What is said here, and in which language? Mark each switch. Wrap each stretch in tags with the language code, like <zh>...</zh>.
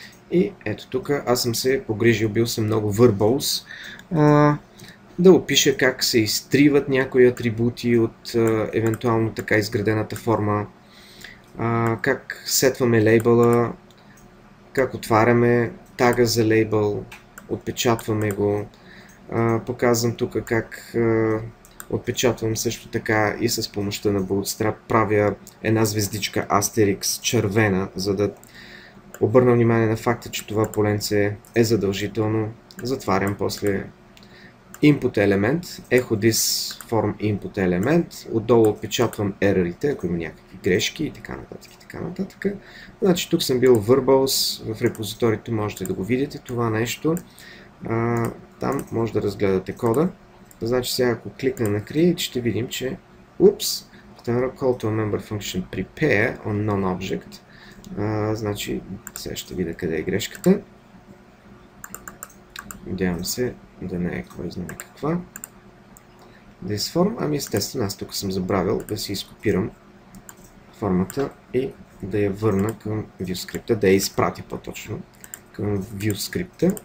<bg>И ето тук аз съм се погрижил, бил съм много verbose, да опиша как се изтриват някои атрибути от евентуално така изградената форма, как сетваме лейбъла, как отваряме тага за лейбъл, отпечатваме го. Показвам тук как отпечатвам също така и с помощта на Bootstrap. Правя една звездичка Asterix червена, за да обърна внимание на факта, че това поленце е задължително. Затварям после input елемент, echo this form input елемент. Отдолу отпечатвам ерорите, ако има някакви грешки и така нататък. Значи тук съм бил verbose, в репозиторито можете да го видите това нещо. Там може да разгледате кода. Значи сега ако кликна на create, ще видим, че</bg> <en>oops, call to a member function prepare on non-object.</en> <bg>Значи сега ще видя къде е грешката. Надявам се да не е кой знае каква. This form, естествено аз тук съм забравил да си изкопирам формата и да я върна към VueScript-а, да я изпратя по-точно към VueScript-а.</bg>